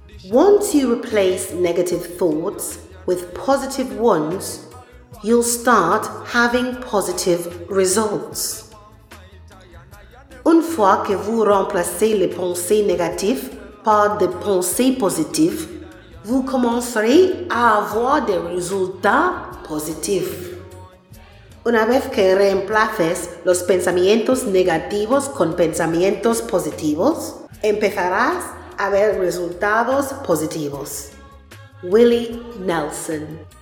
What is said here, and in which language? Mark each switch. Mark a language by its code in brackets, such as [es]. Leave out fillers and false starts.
[en] Once you replace negative thoughts with positive ones, you'll start having positive results. [fr] Une fois que vous remplacez les pensées négatives par des pensées positives, vous commencerez à avoir des résultats positifs. [es] Una vez que reemplaces los pensamientos negativos con pensamientos positivos, empezarás a ver resultados positivos. Willie Nelson.